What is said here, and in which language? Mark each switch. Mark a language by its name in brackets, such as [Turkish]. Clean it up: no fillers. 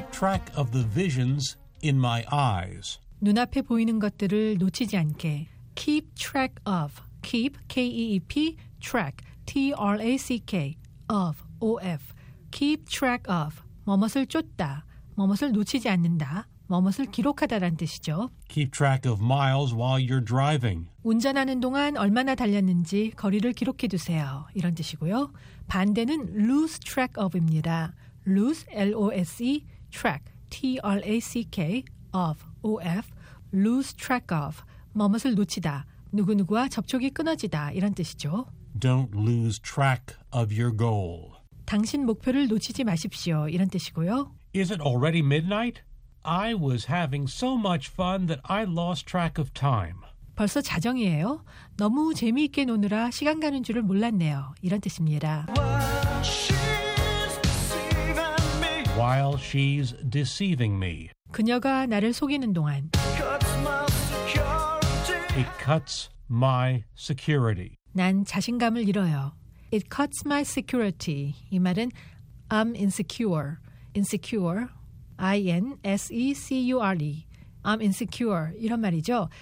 [English] Keep track of the visions in my eyes. [Korean] 눈앞에 보이는 것들을 놓치지 않게. [English] Keep track of. Keep, K-E-E-P, track, T-R-A-C-K, of, O-F. Keep track of. [Korean] 뭐뭇을 쫓다, 뭐뭇을 놓치지 않는다, 뭐뭇을 기록하다란 뜻이죠. [English] Keep track of miles while you're driving. [Korean] 운전하는 동안 얼마나 달렸는지 거리를 기록해 두세요. 이런 뜻이고요. 반대는 [English] lose track of [Korean] 입니다. [English] Lose, L-O-S-E, track, T-R-A-C-K, of, O-F. Lose track of. [Korean] 뭐뭇을 놓치다, 누구누구와 접촉이 끊어지다, 이런 뜻이죠. [English] Don't lose track of your goal. [Korean] 당신 목표를 놓치지 마십시오. 이런 뜻이고요. [English] Is it already midnight? I was having so much fun that I lost track of time. [Korean] 벌써 자정이에요. 너무 재미있게 노느라 시간 가는 줄을 몰랐네요. 이런 뜻입니다. [English] While she's deceiving me. [Korean] 그녀가 나를 속이는 동안. [English] It cuts my security. [Korean] 난 자신감을 잃어요. [English] It cuts my security. [Korean] 이 말은 [English] I'm insecure. Insecure. I-N-S-E-C-U-R-E. I'm insecure. [Korean] 이런 말이죠.